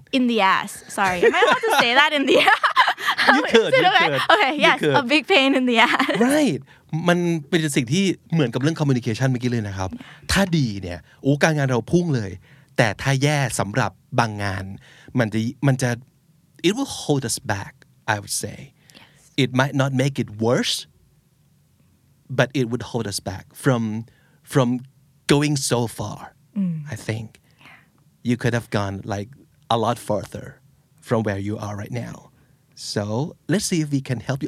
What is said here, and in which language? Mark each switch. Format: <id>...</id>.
<en>in the ass sorry am I allowed to say that in the ass you could you okay could. okay yes a big pain in the ass</en> <th>right มันเป็นสิ่งที่เหมือนกับเรื่อง communication เมื่อกี้เลยนะครับถ้าดีเนี่ยโอ้การงานเราพุ่งเลยแต่ถ้าแย่สำหรับบางงานมันจะ</th> <en>it will hold us back I would say yes. it might not make it worse but it would hold us back from going so farI think you could have gone like a lot farther from where you are right now. So let's see if we can help you.</en>